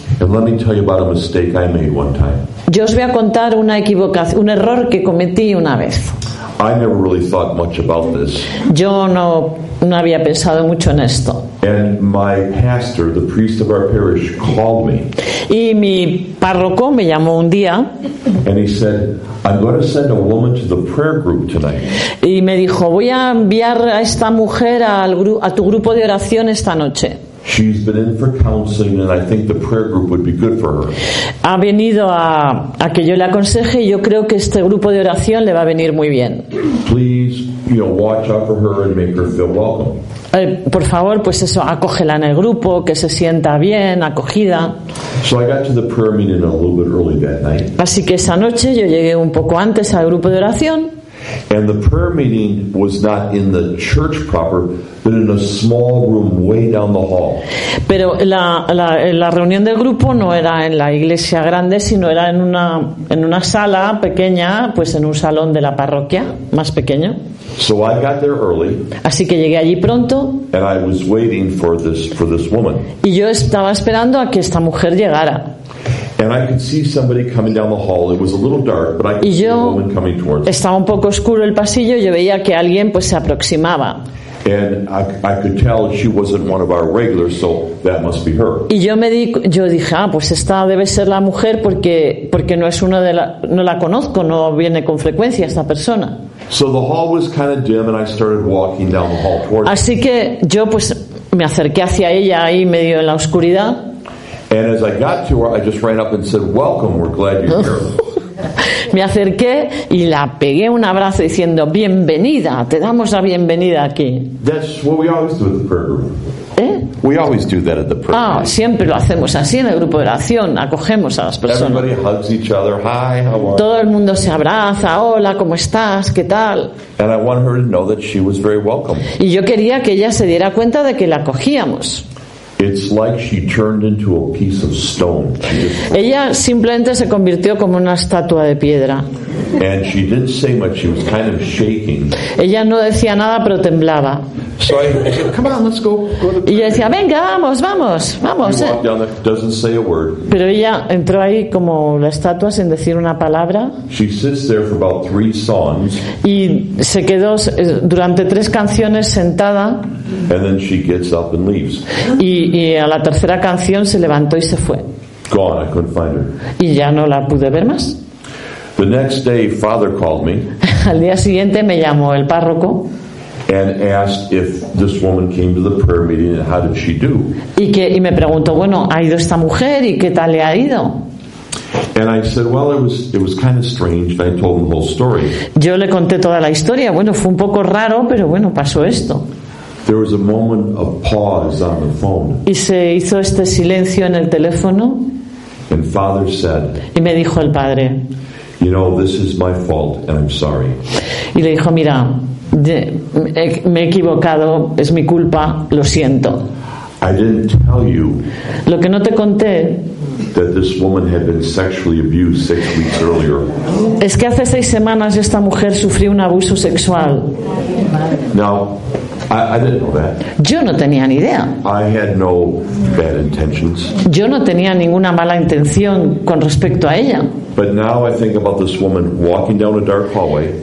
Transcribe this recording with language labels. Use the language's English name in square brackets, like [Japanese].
[English] And let me tell you about a mistake I made one time. [Spanish] Yo os voy a contar una equivocación, un error que cometí una vez. [English] I never really thought much about this. [Spanish] Yo no había pensado mucho en esto. [English] And my pastor, the priest of our parish, called me. [Spanish] Y mi párroco me llamó un día. [English] And he said, I'm going to send a woman to the prayer group tonight. [Spanish] Y me dijo, voy a enviar a esta mujer a tu grupo de oración esta noche. [English] She's been in for counseling, and I think the prayer group would be good for her. [Spanish] Ha venido a que yo le aconseje, y yo creo que este grupo de oración le va a venir muy bien. [English] Please, you know, watch out for her and make her feel welcome. [Spanish] Por favor, pues eso, acógela en el grupo, que se sienta bien, acogida. [English] So I got to the prayer meeting a little bit early that night. [Spanish] Así que esa noche yo llegué un poco antes al grupo de oración. [English] And the prayer meeting was not in the church proper, but in a small room way down the hall. [Spanish] Pero la reunión del grupo no era en la iglesia grande, sino era en una sala pequeña, pues en un salón de la parroquia, más pequeño. [English] So I got there early. [Spanish] Así que llegué allí pronto. [English] And I was waiting for this woman. [Spanish] Y yo estaba esperando a que esta mujer llegara. [English] And I could see somebody coming down the hall. It was a little dark, but I could see a woman coming towards me. [Spanish] Estaba un poco oscuro el pasillo. Yo veía que alguien, pues, se aproximaba. [English] And I could tell she wasn't one of our regulars, so that must be her. [Spanish] Y yo dije, pues esta debe ser la mujer porque no es una de la, no la conozco, no viene con frecuencia esta persona. [English] So the hall was kind of dim, and I started walking down the hall towards. [Spanish] Así que yo, pues, me acerqué hacia ella ahí medio en la oscuridad. [English] And as I got to her, I just ran up and said, "Welcome, we're glad you're here." [Spanish] Me acerqué y la pegué un abrazo diciendo, "Bienvenida, te damos la bienvenida aquí." [English] That's what we always do at the prayer group. ¿Eh? We always do that at the prayer group. [Spanish] Siempre lo hacemos así en el grupo de oración, acogemos a las personas. [English] Everybody hugs each other. Hi, how are you? [Spanish] Todo el mundo se abraza. Hola, ¿cómo estás? ¿Qué tal? [English] And I want her to know that she was very welcome. [Spanish] Y yo quería que ella se diera cuenta de que la acogíamos. [English] It's like she turned into a piece of stone. [Spanish] Ella simplemente se convirtió como una estatua de piedra. [English] And she didn't say much. She was kind of shaking. [Spanish] Ella no decía nada, pero temblaba. [English] So I said, "Come on, let's go." [Spanish] Y ella decía, "Venga, vamos, vamos, vamos." [English] She walked down there, doesn't say a word. [Spanish] Pero ella entró ahí como la estatua sin decir una palabra. [English] She sits there for about three songs. [Spanish] Y se quedó durante tres canciones sentada. [English] And then she gets up and leaves. [Spanish] Y a la tercera canción se levantó y se fue. [English] Gone, I couldn't find her. [Spanish] Y ya no la pude ver más. [English] The next day, Father called me. [Spanish] Al día siguiente me llamó el párroco. [English] And asked if this woman came to the prayer meeting and how did she do. [Spanish] Y me preguntó, bueno, ¿ha ido esta mujer y qué tal le ha ido? [English] And I said, well, it was kind of strange. And I told him the whole story. [Spanish] Yo le conté toda la historia. Bueno, fue un poco raro, pero bueno, pasó esto. [English] There was a moment of pause on the phone. [Spanish] Y se hizo este silencio en el teléfono. [English] And Father said. [Spanish] Y me dijo el padre. [English] You know, this is my fault, and I'm sorry. [Spanish] Y le dijo, mira, me he equivocado, es mi culpa, lo siento. [English] I didn't tell you. [Spanish] Lo que no te conté. [English] That this woman had been sexually abused 6 weeks earlier. [Spanish] Es que hace seis semanas esta mujer sufrió un abuso sexual. [English] Now. I didn't know that. [Spanish] Yo no tenía ni idea. [English] I had no bad intentions. [Spanish] Yo no tenía ninguna mala intención con respecto a ella. [English] But now I think about this woman walking down a dark hallway.